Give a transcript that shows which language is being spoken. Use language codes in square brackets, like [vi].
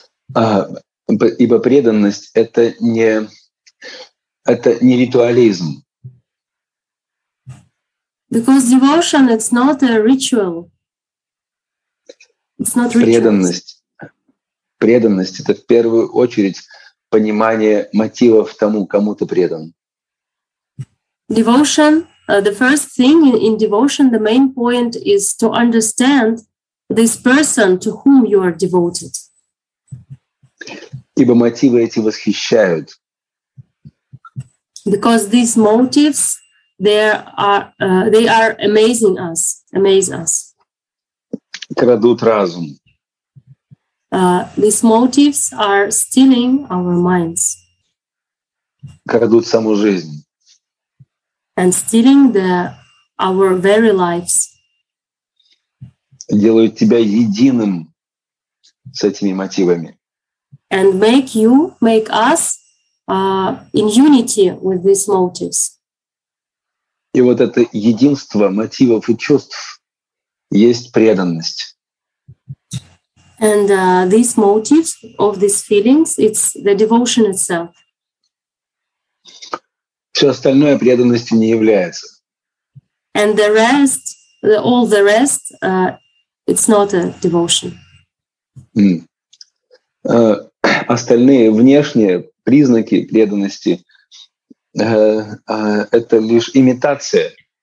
[ru] Ибо преданность — это не ритуализм. [en] Because devotion — it's not a ritual. It's not ritual. [ru] Преданность — это в первую очередь понимание мотивов тому, кому ты предан. [en] Devotion — the first thing in devotion, the main point is to understand this person to whom you are devoted. [ru] Ибо мотивы эти восхищают. [en] Because these motives, they are amazing us, amaze us. [ru] Крадут разум. [en] These motives are stealing our minds. [ru] Крадут саму жизнь. [en] And stealing our very lives. [ru] Делают тебя единым с этими мотивами. [en] And make us in unity with these motives. [ru] И вот это единство мотивов и чувств есть преданность. [en] And these motives of these feelings, it's the devotion itself. [ru] Все остальное преданностью не является. [en] And the rest, all the rest, it's not a devotion. [ru] Остальные внешние признаки преданности это лишь имитация.